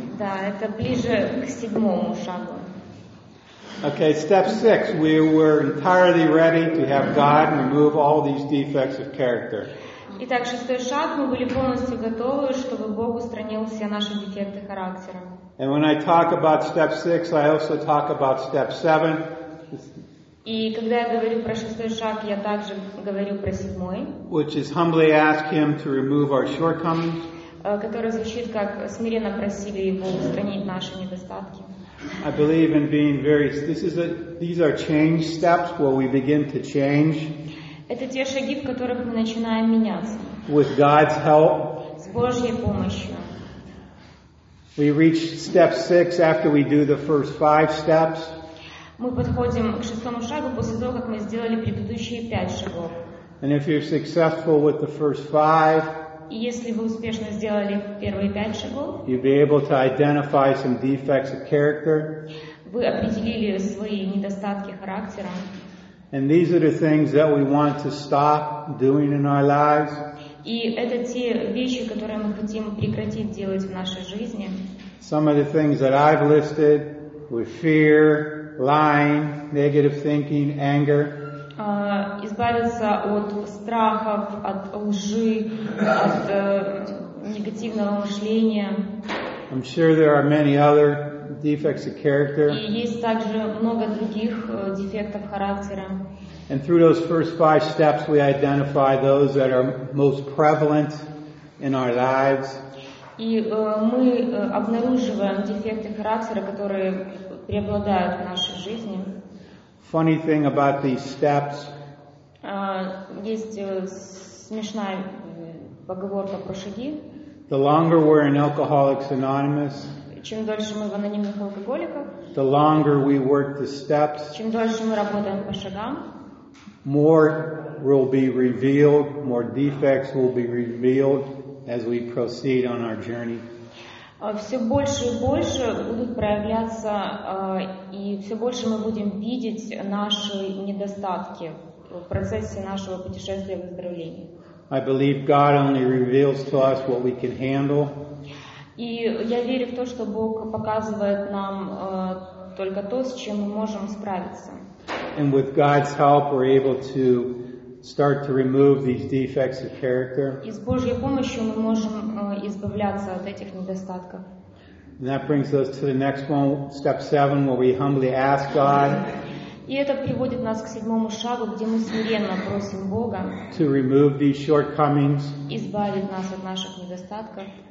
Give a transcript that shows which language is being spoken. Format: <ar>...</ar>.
<ru>Да, это ближе к седьмому шагу.</ru> <en>Okay, step 6. We were entirely ready to have God remove all these defects of character.</en> <ru>Итак, шестой шаг. Мы были полностью готовы, чтобы Бог устранил все наши дефекты характера.</ru> <en>And when I talk about step 6, I also talk about step 7.</en> <ru>И когда я говорю про шестой шаг, я также говорю про седьмой.</ru> <en>Which is humbly ask him to remove our shortcomings.</en> <ru>Который звучит как смиренно просили его устранить наши недостатки.</ru> <en>I believe in being very. These are change steps where we begin to change.</en> <ru>Это те шаги, в которых мы начинаем меняться.</ru> <en>With God's help.</en> <ru>С Божьей помощью.</ru> <en>We reach step 6 after we do the first 5 steps.</en> <ru>Мы подходим к шестому шагу после того, как мы сделали предыдущие 5 шагов.</ru> <en>And if you're successful with the first 5.</en> <ru>И если вы успешно сделали первые 5 шагов,</ru> <en>you'll be able to identify some defects of character.</en> <ru>Вы определили свои недостатки характера.</ru> <en>And these are the things that we want to stop doing in our lives.</en> <ru>И это те вещи, которые мы хотим прекратить делать в нашей жизни.</ru> <en>Some of the things that I've listed were fear, lying, negative thinking, anger.</en> <ru>Избавиться от страхов, от лжи, от негативного мышления.</ru> <en>I'm sure there are many other defects of character.</en> <ru>И есть также много других дефектов характера.</ru> <en>And through those first 5 steps, we identify those that are most prevalent in our lives.</en> <ru>И мы обнаруживаем дефекты характера, которые преобладают в нашей жизни.</ru> <en>Funny thing about these steps.</en> <ru>Есть смешная поговорка про шаги.</ru> <en>The longer we're in Alcoholics Anonymous.</en> <ru>Чем дольше мы в анонимных алкоголиках.</ru> <en>The longer we work the steps.</en> <ru>Чем дольше мы работаем по шагам.</ru> <en>More will be revealed. More defects will be revealed as we proceed on our journey.</en> <ru>Все больше и больше будут проявляться, и все больше мы будем видеть наши недостатки в процессе нашего путешествия выздоровления.</ru> <en>I believe God only reveals to us what we can handle.</en> <ru>И я верю в то, что Бог показывает нам только то, с чем мы можем справиться.</ru> <en>And with God's help, we're able to start to remove these defects of character.</en> <ru>И с Божьей помощью мы можем избавляться от этих недостатков.</ru> <en>And that brings us to the next one, step 7, where we humbly ask God.</en> <ru>И это приводит нас к седьмому шагу, где мы смиренно просим Бога.</ru> <en>To remove these shortcomings.</en> <ru>Избавить нас от наших недостатков.</ru>